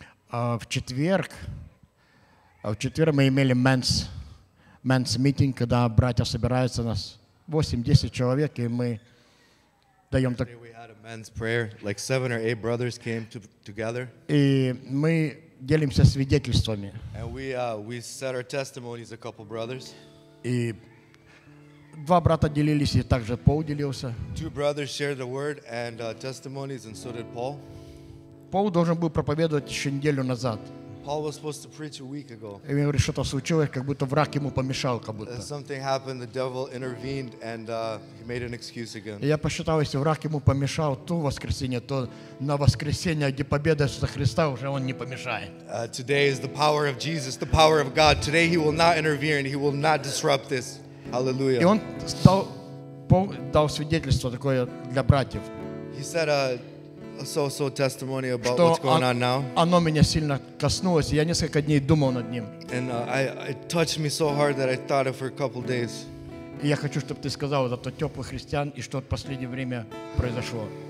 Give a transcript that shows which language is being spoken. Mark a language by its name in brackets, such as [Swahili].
[Russian] В четверг мы имели [English] men's meeting, [Russian] когда братья собираются, нас 8-10 человек, и мы даем так. [English] We had a men's prayer, like 7 or 8 brothers came together. [Russian] И мы делимся свидетельствами. [English] And we set our testimonies, a couple brothers. [Russian] И два брата делились, и также Пол делился. [English] Two brothers shared the word and testimonies, and so did Paul. [Russian] Пол должен был проповедовать еще неделю назад. [English] Paul was supposed to preach a week ago. [Russian] И он говорит, что-то случилось, как будто враг ему помешал, как будто. [English] Something happened, the devil intervened, and he made an excuse again. [Russian] И я посчитал, если враг ему помешал то воскресенье, то на воскресенье, где победа Иисуса Христа, уже он не помешает. [English] Today is the power of Jesus, the power of God. Today he will not intervene, he will not disrupt this. Hallelujah. [Russian] И он стал, Пол, дал свидетельство такое для братьев. [English] He said a testimony about what's going on now. [Russian] Оно меня сильно коснулось, и я несколько дней думал над ним. [English] And it touched me so hard that I thought of for a couple days. [Russian] И я хочу, чтобы ты сказал вот это теплый христиан и что в последнее время произошло.